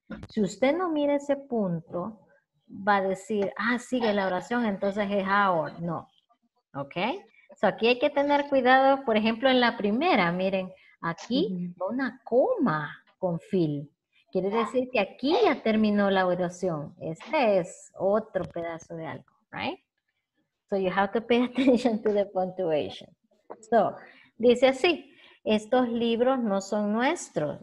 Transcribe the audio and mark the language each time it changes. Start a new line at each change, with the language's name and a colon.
Spanish: Si usted no mira ese punto, va a decir, sigue la oración, entonces es our. No. ¿Ok? So, aquí hay que tener cuidado, por ejemplo, en la primera, miren. Aquí va una coma con Phil. Quiere decir que aquí ya terminó la oración. Este es otro pedazo de algo, right?
English: So you have to pay attention to the punctuation.
Spanish: So, dice así, estos libros no son nuestros.